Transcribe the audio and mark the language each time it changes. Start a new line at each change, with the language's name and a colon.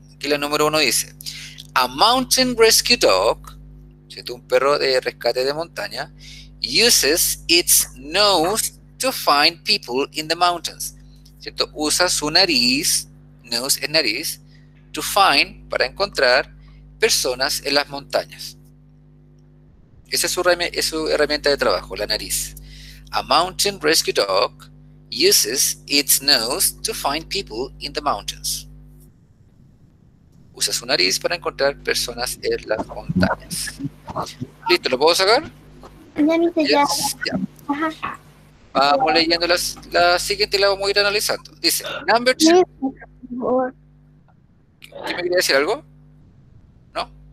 Spanish: Aquí la número uno dice,
English: a mountain rescue dog,
Spanish: siento un perro de rescate de montaña,
English: uses its nose to find people in the mountains.
Spanish: ¿Cierto? Usa su nariz, nose es nariz,
English: to find,
Spanish: para encontrar, personas en las montañas. Esa es su herramienta de trabajo, la nariz.
English: A mountain rescue dog uses its nose to find people in the mountains.
Spanish: Usa su nariz para encontrar personas en las montañas. ¿Listo? ¿Lo puedo sacar? Ya, dice ya. Yes, ya. Ajá. Vamos leyendo la siguiente y la vamos a ir analizando. Dice,
English: number two.
Spanish: ¿Quién me quería decir algo? ¿No?